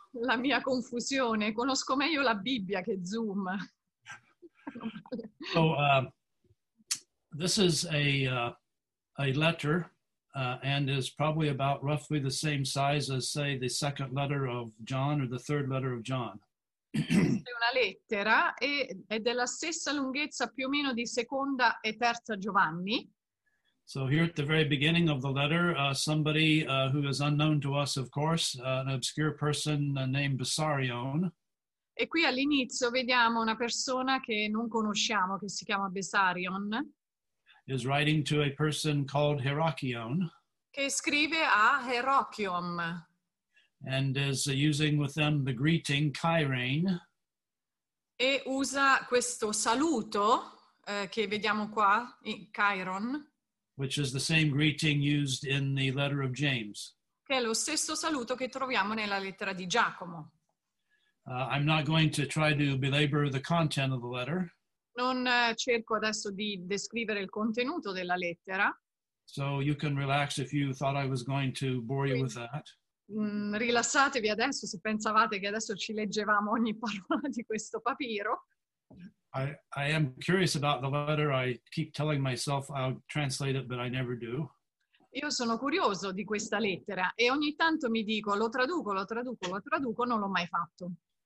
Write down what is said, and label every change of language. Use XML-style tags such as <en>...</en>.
<it>La mia confusione. Conosco meglio la Bibbia che Zoom.</it> <en>So this is a letter and is probably about roughly the same size as, say, the second letter of John or the third letter of John.</en> <it>È una lettera e è della stessa lunghezza più o meno di seconda e terza Giovanni.</it> <en>So here at the very beginning of the letter, somebody who is unknown to us, of course, an obscure person named Besarion.</en> <it>E qui all'inizio vediamo una persona che non conosciamo, che si chiama Besarion.</it> <en>Is writing to a person called Herakion.</en> <it>Che scrive a Herakion.</it> <en>And is using with them the greeting Kyrene.</en> <it>E usa questo saluto che vediamo qua, Kyron.</it> <en>Which is the same greeting used in the letter of James. Ok,</en> <it>Che è lo stesso saluto che troviamo nella lettera di Giacomo.</it> <en>I'm not going to try to belabor the content of the letter.</en> <it>Non cerco adesso di descrivere il contenuto della lettera.</it> <en>So you can relax if you thought I was going to bore you with that.</en> <it>Rilassatevi adesso se pensavate che adesso ci leggevamo ogni parola di questo papiro.</it> <en>I am curious about the letter. I keep telling myself I'll translate it, but I never do.</en> <it>Io sono curioso di questa lettera e ogni tanto mi dico lo traduco, lo traduco, lo traduco, non l'ho mai fatto.</it>